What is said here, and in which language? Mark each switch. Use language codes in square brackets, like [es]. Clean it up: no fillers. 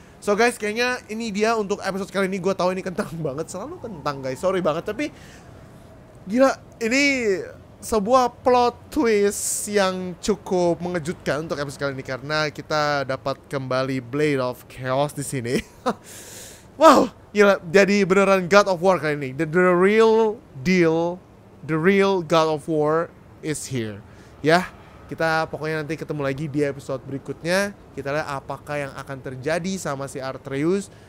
[en] So guys, [id] kayaknya ini dia untuk episode kali ini. Gua tahu ini kentang banget, selalu kentang guys. Sorry banget, tapi gila, ini sebuah plot twist yang cukup mengejutkan untuk episode kali ini karena kita dapat kembali Blade of Chaos di sini. Wow, gila, jadi beneran God of War kali ini. [en] The real deal, the real God of War is here. [id] Ya, kita pokoknya nanti ketemu lagi di episode berikutnya. Kita lihat apakah yang akan terjadi sama si Atreus.